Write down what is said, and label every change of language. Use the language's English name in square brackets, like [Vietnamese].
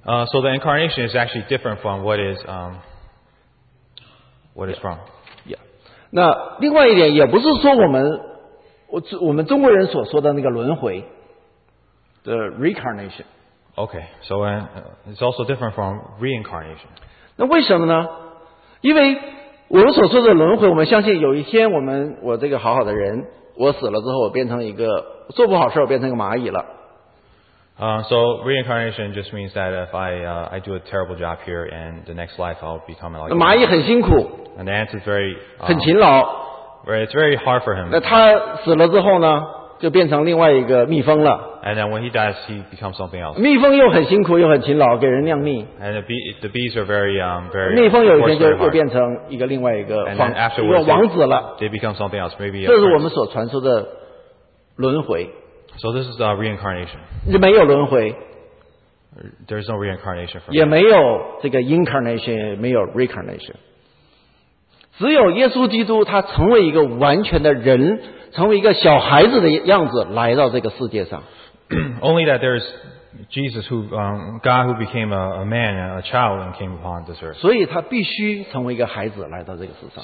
[English] so the incarnation is actually different from what is from. Yeah. [Chinese] 那另外一点也不是说我们中国人所说的那个轮回, [English] the reincarnation. Okay, so it's also different from reincarnation. [Chinese] 那为什么呢? 因为 我们所说的轮回，我们相信有一天，我这个好好的人， 我死了之后，我变成一个做不好事，我变成个蚂蚁了。 [English] So reincarnation just means that if I do a terrible job here, and the next life I'll become like. [Chinese] 蚂蚁很辛苦。 [English] And the ant is very. [Chinese] 很勤劳。 [English] Right, it's very hard for him. [Chinese] 那他死了之后呢？就变成另外一个蜜蜂了。 [English] And then when he dies, he becomes something else. [Chinese] 蜜蜂又很辛苦又很勤劳, 给人酿蜜。 [English] And the bees are very, very. [Chinese] 蜜蜂有一天就变成一个另外一个, [English] and then afterwards, they become something else. Maybe. [Chinese] 这是我们所传说的轮回。 [English] So this is a reincarnation. [Chinese] 没有轮回。 [English] There's no reincarnation for. [Chinese] 也没有这个incarnation, 没有reincarnation. 只有耶稣基督他成为一个完全的人, 成为一个小孩子的样子来到这个世界上。 [English] Only that there is Jesus, who God, who became a man and a child and came upon this earth. [Chinese] 所以他必须成为一个孩子来到这个世上。